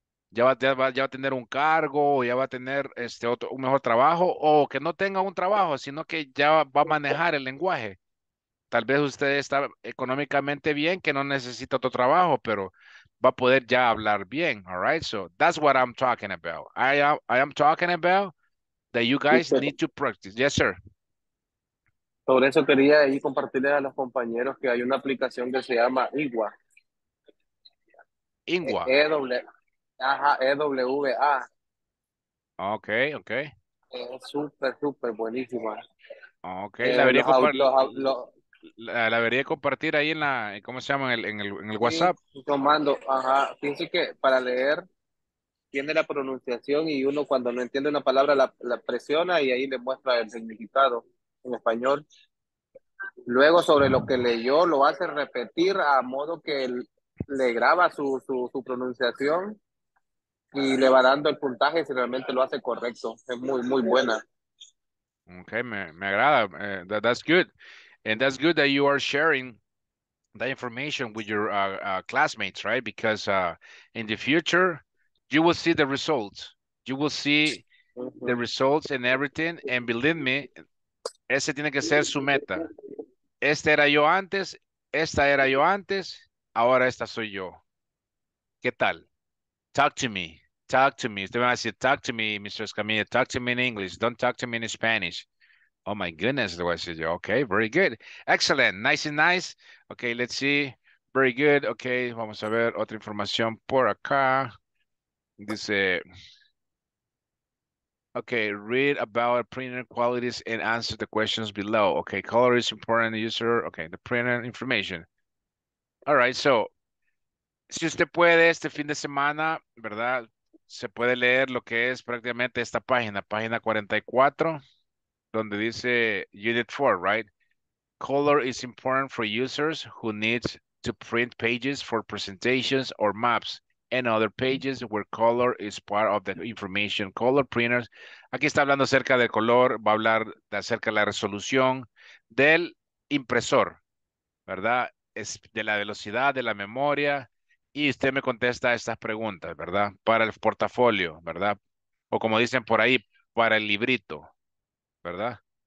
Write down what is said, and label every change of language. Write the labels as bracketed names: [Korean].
[Spanish] Ya va a tener un cargo, ya va a tener un mejor trabajo, o que no tenga un trabajo, sino que ya va a manejar el lenguaje. Tal vez usted está económicamente bien, que no necesita otro trabajo, pero va a poder ya hablar bien, [English] all right? So, that's what I'm talking about. I am talking about that you guys need to practice. Yes, sir. [Spanish] Sobre eso quería ahí compartirle a los compañeros que hay una aplicación que se llama Ingua. Ingua. EWA. Ok. Es súper, súper buenísima. Ok, la debería compartir ahí en la, ¿cómo se llama? En el WhatsApp. Tomando, ajá. Fíjense que para leer, tiene la pronunciación y uno cuando no entiende una palabra la presiona y ahí le muestra el significado en español. Luego sobre lo que leyó, lo hace repetir a modo que él le graba su pronunciación. y le va dando el puntaje si realmente lo hace correcto. Es muy, muy buena. [English] Okay, [Spanish] me agrada. [English] That's good. And that's good that you are sharing that information with your classmates, right? Because in the future, you will see the results. You will see the results and everything. And believe me, [Spanish] ese tiene que ser su meta. Este era yo antes, esta era yo antes, ahora esta soy yo. ¿Qué tal? [English] Talk to me. Talk to me. [Spanish] Usted me va a decir, [English] talk to me, Mr. Escamilla. Talk to me in English. Don't talk to me in Spanish. Oh, my goodness. [Spanish] Le voy a decir yo. [English] Okay, very good. Excellent. Nice and nice. Okay, let's see. Very good. [Spanish] Okay, vamos a ver otra información por acá. Dice, [English] okay, read about printer qualities and answer the questions below. Okay, color is important, user. Okay, the printer information. All right, so, [Spanish] si usted puede este fin de semana, ¿verdad? Se puede leer lo que es prácticamente esta página, página 44, donde dice Unit 4, right? [English] Color is important for users who need to print pages for presentations or maps and other pages where color is part of the information. Color printers. [Spanish] Aquí está hablando acerca del color, va a hablar acerca de la resolución del impresor, ¿verdad? Es de la velocidad, de la memoria. Y usted me contesta estas preguntas, ¿verdad? Para el portafolio, ¿verdad? O como dicen por ahí, para el librito, ¿verdad?